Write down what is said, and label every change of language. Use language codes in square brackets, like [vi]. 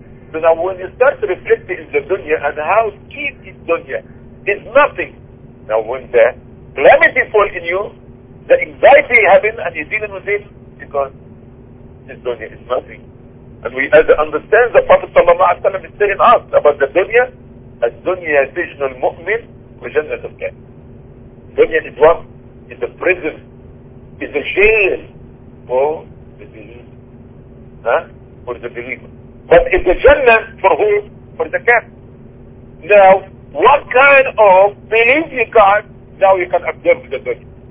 [en] So now when you start reflecting in the dunya and how cheap is dunya, is nothing. Now when the calamity fall in you, the anxiety happen and you're dealing with it, because this dunya is nothing. And we understand the Prophet sallallahu alaihi wasallam is telling us about the dunya. [ar] الدنيا سجن المؤمن وجنة الكافر. [en] الدنيا is what? Is a prison. Is a jail for the believer. For the believer. But is a jannah for who? For the kafir. Now, what kind of belief you got, now you can observe the dunya.